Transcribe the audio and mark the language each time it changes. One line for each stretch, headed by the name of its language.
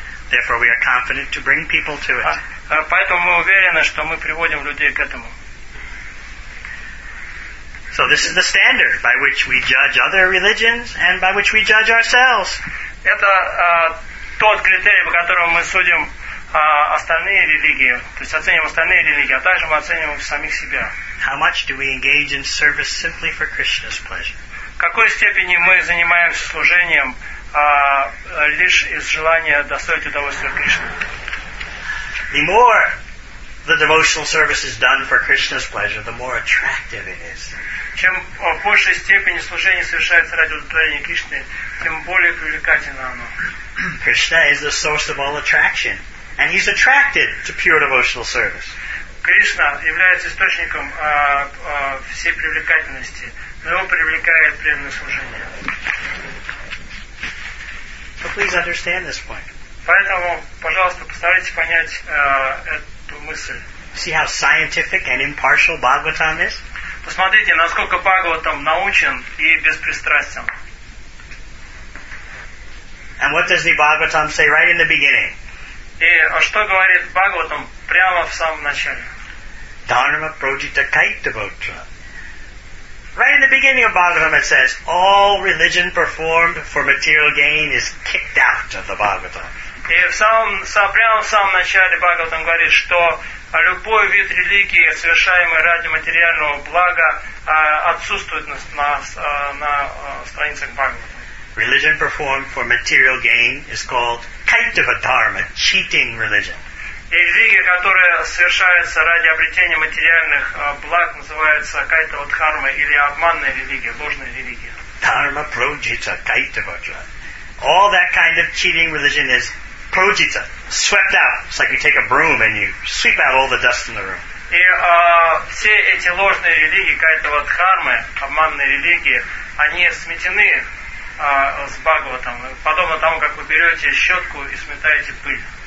English: Therefore, we are confident to bring people to it.
Russian: Поэтому мы уверены, что мы приводим людей к этому.
English: So this is the standard by which we judge other religions and by which we judge ourselves.
Russian: Это тот критерий, по которому мы судим остальные религии, то есть оцениваем остальные религии, а также мы оцениваем самих себя.
English: How much do we engage in service simply for Krishna's pleasure?
Russian: В какой степени мы занимаемся служением лишь из желания достоить удовольствия Кришне?
English: The more the devotional service is done for Krishna's pleasure, the more attractive it is.
Russian: Чем в большей степени служение совершается ради удовлетворения Кришны, тем более привлекательно оно.
English: Krishna is the source of all attraction, and he's attracted to pure devotional service.
Russian: Кришна является источником всей привлекательности, но его привлекает преданное служение.
English: So please understand this point.
Russian: Поэтому, пожалуйста, постарайтесь понять эту мысль.
English: See how scientific and impartial Bhagavatam is?
Russian: Посмотрите, насколько Бхагаватам научен и беспристрастен.
English: And what does the Bhagavatam say right in the beginning?
Russian: И что говорит Бхагаватам прямо в самом начале?
Sanskrit: Dharma projita kaitavotra.
English: Right in the beginning of Bhagavatam it says, all religion performed for material gain is kicked out of the Bhagavatam.
Russian: И прямо в самом начале Бхагаватам говорит, что любой вид религии, совершаемый ради материального блага, отсутствует на страницах Бхагавата.
English: Religion performed for material gain is called Kaitava Dharma, cheating religion.
Russian: И религия, которая совершается ради обретения материальных благ, называется Кайтава Дхарма, или обманная религия, ложная религия.
Sanskrit: Dharma Projita Kaitava Dharma.
English: All that kind of cheating religion is Projita, swept out. It's like you take a broom and you sweep out all the dust in the room.
Russian: И все эти ложные религии, кайтава дхармы, обманные религии, они сметены с Бхагаватам, подобно тому, как вы берете щетку и сметаете пыль.